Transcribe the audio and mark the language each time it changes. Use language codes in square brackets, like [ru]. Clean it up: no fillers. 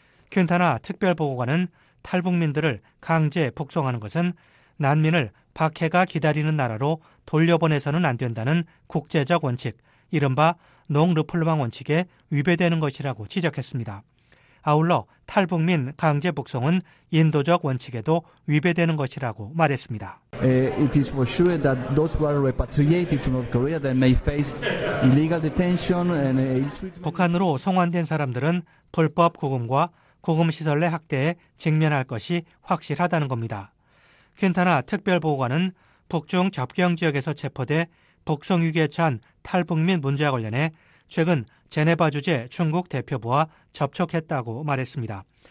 [ko] 퀸타나 특별보고관은 탈북민들을 강제 북송하는 것은 난민을 박해가 기다리는 나라로 돌려보내서는 안 된다는 국제적 원칙, 이른바 농르플루망 원칙에 위배되는 것이라고 지적했습니다. 아울러 탈북민 강제 북송은 인도적 원칙에도 위배되는 것이라고 말했습니다. [en] It is for sure that those who are repatriated to North Korea they may face illegal detention and ill-treatment. [ko] 북한으로 송환된 사람들은 불법 구금과 구금 시설 내 학대에 직면할 것이 확실하다는 겁니다. 퀸타나 특별보고관은 북중 접경 지역에서 체포돼 북송 위기에 처한 탈북민 문제와 관련해 최근 제네바 주재 중국 대표부와 접촉했다고 말했습니다.